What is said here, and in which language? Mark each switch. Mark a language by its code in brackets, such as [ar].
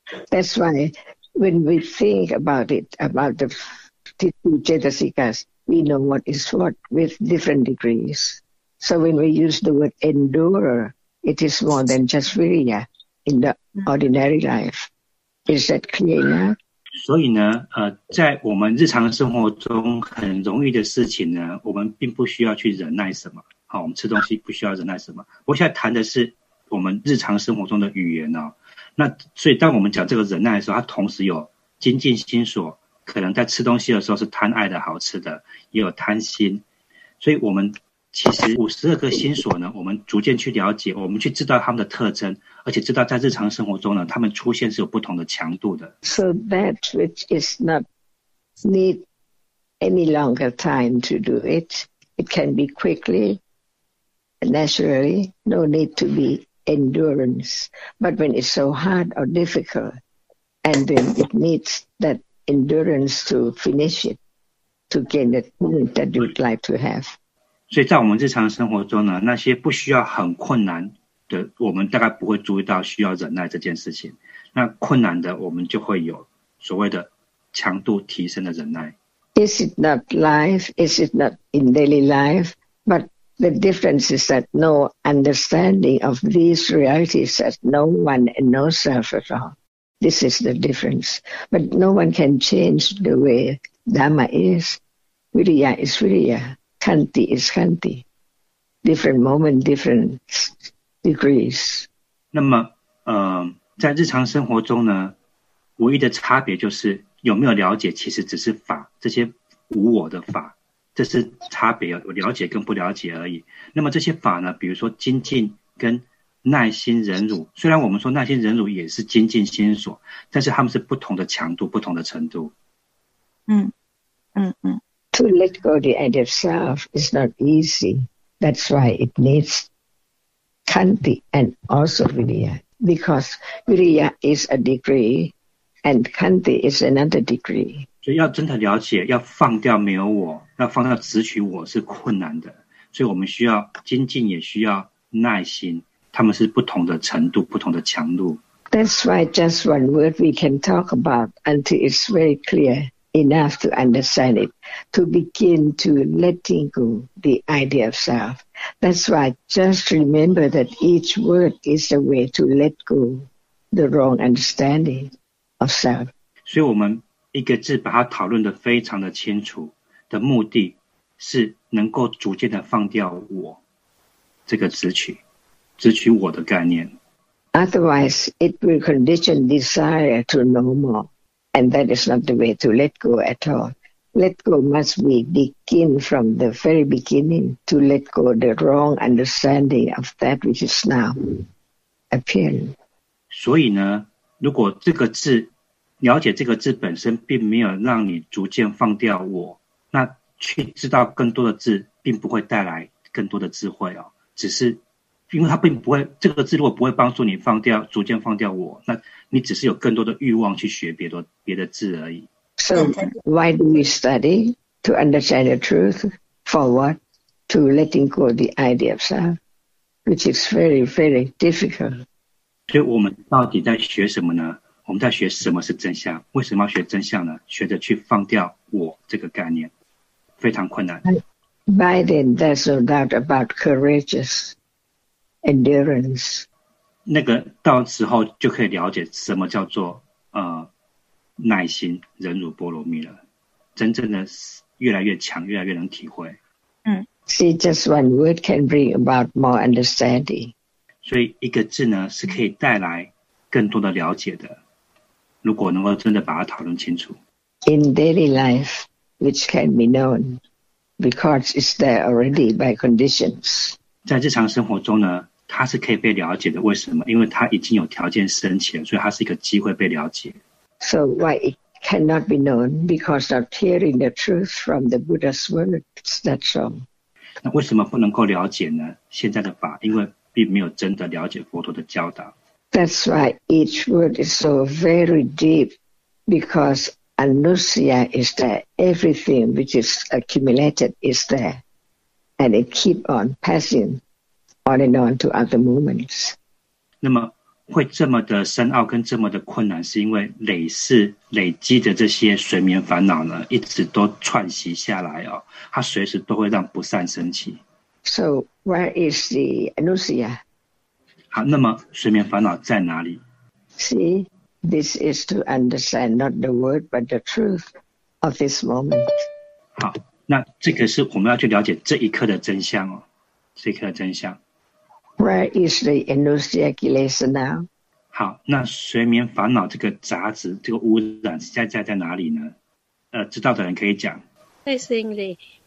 [en] That's why when we think about it, about the two cetasikas, we know what is what with different degrees. So when we use the word endure, it is more than just viriya in the ordinary life. Is that clear now? [zh] 所以呢，在我们日常生活中很容易的事情呢，我们并不需要去忍耐什么。好，我们吃东西不需要忍耐什么。我现在谈的是我们日常生活中的语言哦。那所以当我们讲这个忍耐的时候，它同时有精进心所，可能在吃东西的时候是贪爱的好吃的，也有贪心。所以我们其实52个心所呢，我们逐渐去了解，我们去知道他们的特征，而且知道在日常生活中呢，他们出现是有不同的强度的。 [en] So that which is not need any longer time to do it, it can be quickly. Naturally, no need to be endurance. But when it's so hard or difficult, and then it needs that endurance to finish it, to gain the thing that you'd like to have. [zh] 所以在我们日常生活中呢，那些不需要很困难的，我们大概不会注意到需要忍耐这件事情。那困难的，我们就会有所谓的强度提升的忍耐。 [en] Is it not life? Is it not in daily life? But... The difference is that no understanding of these realities as no one and no self at all. This is the difference. But no one can change the way Dhamma is. Viriya is Viriya. Kanti is Kanti. Different moment, different degrees. [zh] 那么在日常生活中呢，唯一的差别就是有没有了解，其实只是法，这些无我的法。这是差别，有了解跟不了解而已。那么这些法呢，比如说精进跟耐心忍辱，虽然我们说耐心忍辱也是精进心所，但是他们是不同的强度，不同的程度。 [en] To let go the idea of self is not easy. That's why it needs kanti and also viriya. Because viriya is a degree and kanti is another degree. [zh] 所以要真的了解，要放掉没有我，要放掉执取我是困难的。所以我们需要精进，也需要耐心，他们是不同的程度，不同的强度。 [en] That's why just one word we can talk about until it's very clear enough to understand it, to begin to letting go the idea of self. That's why just remember that each word is a way to let go the wrong understanding of self. [zh] 所以我们一个字把它讨论的非常的清楚的目的是能够逐渐的放掉我。这个执取，执取我的概念。 [en] Otherwise, it will condition desire to know more, and that is not the way to let go at all. Let go must be begin from the very beginning to let go the wrong understanding of that which is now appearing. [zh] 所以呢，如果这个字，了解这个字本身并没有让你逐渐放掉我，那去知道更多的字，并不会带来更多的智慧哦，只是。因为它并不会，这个字如果不会帮助你放掉，逐渐放掉我，那你只是有更多的欲望去学别的字而已。 [en] So why do we study to understand the truth? For what? To letting go the idea of self, which is very, very difficult. [zh] 所以我们到底在学什么呢？我们在学什么是真相？为什么要学真相呢？学着去放掉我这个概念，非常困难。 [en] By then, there's no doubt about courageous. Endurance. [zh] 那个到时候就可以了解什么叫做耐心忍辱波罗蜜了，真正的越来越强，越来越能体会。嗯 [en] ，See, just one word can bring about more understanding. [zh] 所以一个字呢是可以带来更多的了解的，如果能够真的把它讨论清楚。 [en] In daily life, which can be known because it's there already by conditions. [zh] 在日常生活中呢，它是可以被了解的。为什么？因为它已经有条件生起了，所以它是一个机会被了解。 [en] So why it cannot be known? Because of hearing the truth from the Buddha's words. That's all. [zh] 那为什么不能够了解呢？现在的法，因为并没有真的了解佛陀的教导。 [en] That's why each word is so very deep, because anusya is there. Everything which is accumulated is there. And it keep on passing on and on to other moments. [zh] 那么会这么的深奥跟这么的困难，是因为累积的这些睡眠烦恼呢，一直都串习下来哦，它随时都会让不善生起。 [en] So where is the anusya? [zh] 好，那么睡眠烦恼在哪里 [en] ？See, this is to understand not the word but the truth of this moment. [zh] 好。那这个是我们要去了解这一刻的真相哦，这一刻的真相。 [en] Where is the anusya kilesa now? [zh] 好，那睡眠烦恼这个杂质、这个污染在哪里呢？知道的人可以讲。 [en] Basically,